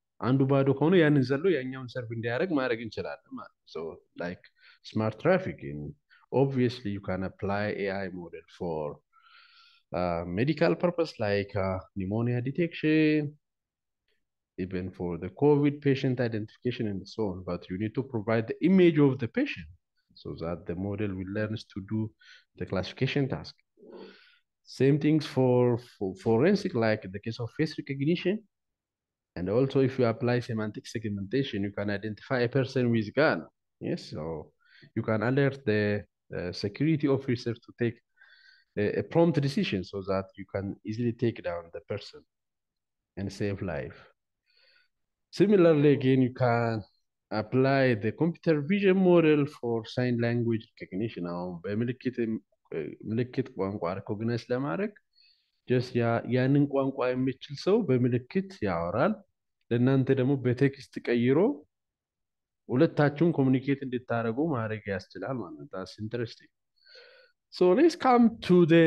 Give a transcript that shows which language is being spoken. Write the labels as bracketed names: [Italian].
[Amharic] አንዱ ባዶ ከሆነ ያንን ዘሎ ያኛውን ሰርቭ እንዲያደርግ ማድረግ እንችላለን ማለት ነው። [English] ሶ ላይክ ስማርት ትራፊክ ኦብቪየስሊ ዩ ካን አፕላይ ኤአይ ሞዴል ፎር ሜዲካል ፐርፐስ ላይክ ኒሞኒያ ዲቴክሽን ኢቨን ፎር ዘ ኮቪድ ፔሽንት አይደንቲፊኬሽን ኤንድ ሶ ኦን ባት ዩ ኒድ ቱ ፕሮቫይድ ዘ ኢሜጅ ኦፍ ዘ ፔሽንት ሶ ዛት ዘ ሞዴል ዊል ለርንስ ቱ ዱ ዘ ክላሲፊኬሽን ታስክ Same things for forensic, like in the case of face recognition. And also, if you apply semantic segmentation, you can identify a person with gun. Yes, so you can alert the security officer to take a prompt decision so that you can easily take down the person and save life. Similarly, again, you can apply the computer vision model for sign language recognition. [Amharic] Now, ምልክት ቋንቋ ሪኮግናይዝ ለማድረግ ጀስት ያንን ቋንቋ የሚችል ሰው በምልክት ያወራል፣ ለእናንተ ደግሞ በቴክስት ቀይሮ ሁለታችሁን ኮሚኒኬት እንድታደረጉ ማድረግ ያስችላል ማለት ነው። [English] ዳስ ኢንትረስቲንግ። ሶ ሌትስ ካም ቱ